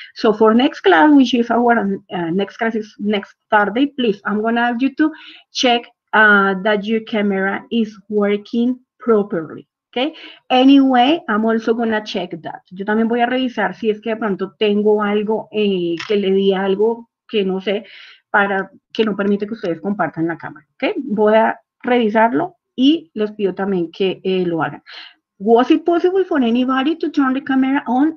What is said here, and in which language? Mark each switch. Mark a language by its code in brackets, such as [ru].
[en] So for next class, which is our next class is next Thursday, please, I'm going to ask you to check that your camera is working properly, ok? Okay. Anyway, I'm also gonna check that. [es] Yo también voy a revisar si es que de pronto tengo algo que le di algo que no sé para que no permite que ustedes compartan la cámara. Okay. Voy a revisarlo y les pido también que lo hagan. [en] Was it possible for anybody to turn the camera on?